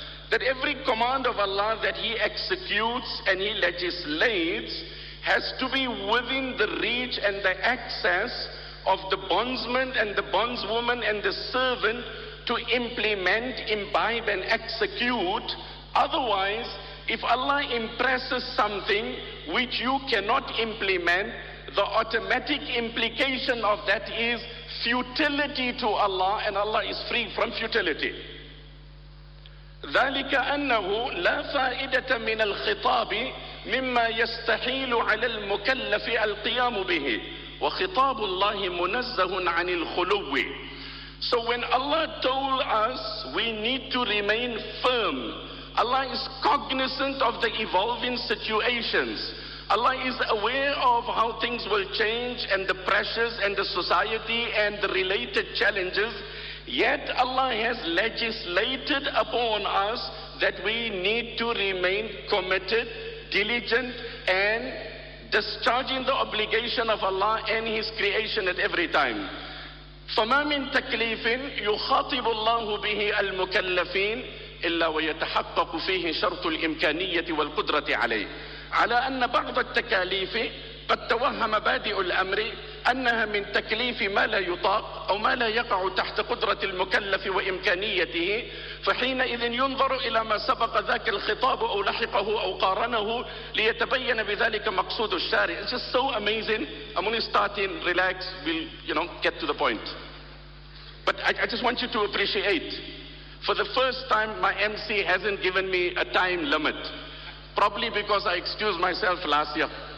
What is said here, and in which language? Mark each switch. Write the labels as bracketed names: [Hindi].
[English] That every command of Allah that He executes and He legislates has to be within the reach and the access of the bondsman and the bondswoman and the servant to implement, imbibe and execute. Otherwise, if Allah impresses something which you cannot implement, the automatic implication of that is futility to Allah, and Allah is free from futility. [Arabic] ذلك أنه لا فائدة من الخطاب مما يستحيل على المكلف القيام به وخطاب الله منزه عن الخلو. [English] So when Allah told us we need to remain firm, Allah is cognizant of the evolving situations. Allah is aware of how things will change and the pressures and the society and the related challenges. Yet Allah has legislated upon us that we need to remain committed, diligent, and discharging the obligation of Allah and His creation at every time. [Arabic] فما من تكليف يخاطب الله به المكلفين إلا ويتحقق فيه شرط الإمكانية والقدرة عليه على أن بعض التكاليف قد توهم بادئ الأمر أنها من تكليف ما لا يطاق أو ما لا يقع تحت قدرة المكلف وإمكانيته فحينئذ ينظر إلى ما سبق ذاك الخطاب أو لحقه أو قارنه ليتبين بذلك مقصود الشارع. [English] It's just so amazing. I'm only starting, relax, we'll, you know, get to the point. But I just want you to appreciate. For the first time, my MC hasn't given me a time limit. Probably because I excused myself last year.